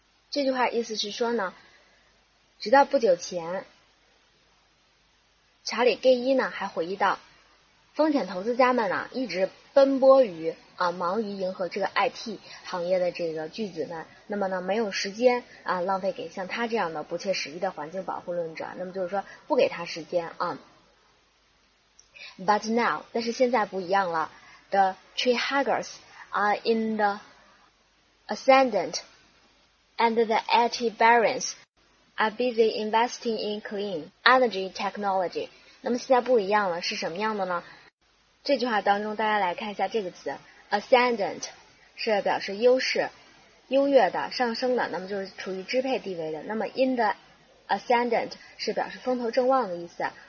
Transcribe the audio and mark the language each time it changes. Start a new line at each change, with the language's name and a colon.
Chinese: 这句话意思是说呢，直到不久前查理盖伊呢还回忆到，风险投资家们呢一直奔波于忙于迎合这个 IT 行业的这个巨子们，那么呢没有时间浪费给像他这样的不切实际的环境保护论者，那么就是说不给他时间啊。
English: But now,
Chinese: 但是现在不一样了，
English: The tree huggers are in the ascendant and the IT barons are busy investing in clean energy technology.
Chinese: 那么现在不一样了，是什么样的呢？这句话当中大家来看一下这个词， ascendant 是表示优势优越的上升的，那么就是处于支配地位的，那么 in the ascendant 是表示风头正旺的意思。